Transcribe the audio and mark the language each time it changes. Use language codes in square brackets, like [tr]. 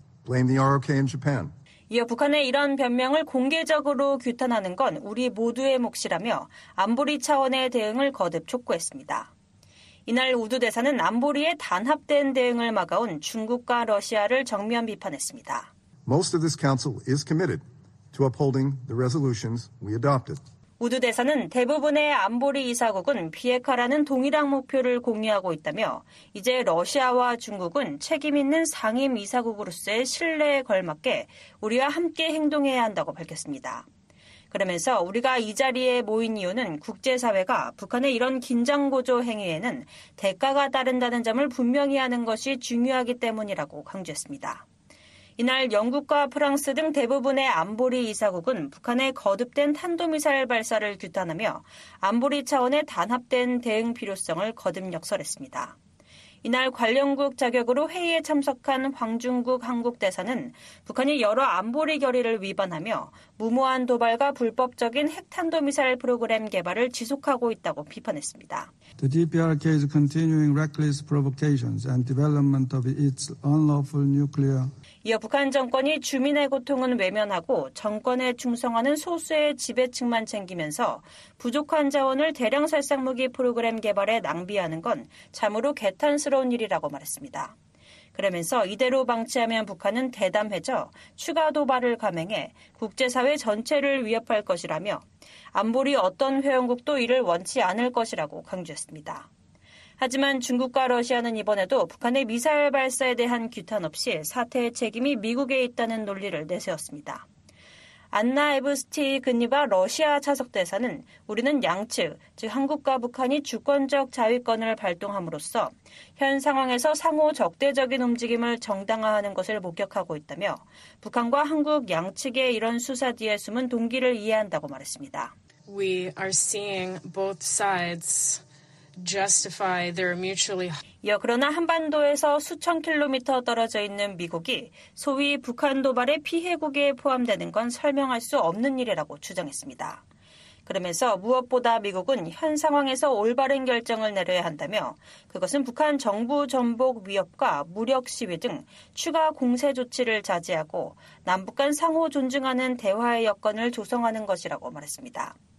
[en] Blame the ROK in Japan. [ko] 이어 북한의 이런 변명을 공개적으로 규탄하는 건 우리 모두의 몫이라며 안보리 차원의 대응을 거듭 촉구했습니다. 이날 우드 대사는 안보리의 단합된 대응을 막아온 중국과 러시아를 정면 비판했습니다. [en] Most of this council is committed to upholding the resolutions we adopted. [ko] 우드 대사는 대부분의 안보리 이사국은 비핵화라는 동일한 목표를 공유하고 있다며 이제 러시아와 중국은 책임 있는 상임 이사국으로서의 신뢰에 걸맞게 우리와 함께 행동해야 한다고 밝혔습니다. 그러면서 우리가 이 자리에 모인 이유는 국제사회가 북한의 이런 긴장고조 행위에는 대가가 따른다는 점을 분명히 하는 것이 중요하기 때문이라고 강조했습니다. 이날 영국과 프랑스 등 대부분의 안보리 이사국은 북한의 거듭된 탄도미사일 발사를 규탄하며 안보리 차원의 단합된 대응 필요성을 거듭 역설했습니다. 이날 관련국 자격으로 회의에 참석한 황중국 한국대사는 북한이 여러 안보리 결의를 위반하며 무모한 도발과 불법적인 핵탄도미사일 프로그램 개발을 지속하고 있다고 비판했습니다. [en] The DPRK is continuing reckless provocations and development of its unlawful nuclear. [ko] 이어 북한 정권이 주민의 고통은 외면하고 정권에 충성하는 소수의 지배층만 챙기면서 부족한 자원을 대량 살상무기 프로그램 개발에 낭비하는 건 참으로 개탄스러운 일이라고 말했습니다. 그러면서 이대로 방치하면 북한은 대담해져 추가 도발을 감행해 국제사회 전체를 위협할 것이라며 안보리 어떤 회원국도 이를 원치 않을 것이라고 강조했습니다. 하지만 중국과 러시아는 이번에도 북한의 미사일 발사에 대한 규탄 없이 사태의 책임이 미국에 있다는 논리를 내세웠습니다. 안나 에브스티 근리바 러시아 차석대사는 우리는 양측, 즉 한국과 북한이 주권적 자위권을 발동함으로써 현 상황에서 상호 적대적인 움직임을 정당화하는 것을 목격하고 있다며 북한과 한국 양측의 이런 수사 뒤에 숨은 동기를 이해한다고 말했습니다. [en] We are seeing both sides justify their mutually. [ko] 이어 그러나 한반도에서 수천 킬로미터 떨어져 있는 미국이 소위 북한 도발의 피해국에 포함되는 건 설명할 수 없는 일이라고 주장했습니다. 그러면서 무엇보다 미국은 현 상황에서 올바른 결정을 내려야 한다며 그것은 북한 정부 전복 위협과 무력 시위 등 추가 공세 조치를 자제하고 남북 간 상호 존중하는 대화의 여건을 조성하는 것이라고 말했습니다.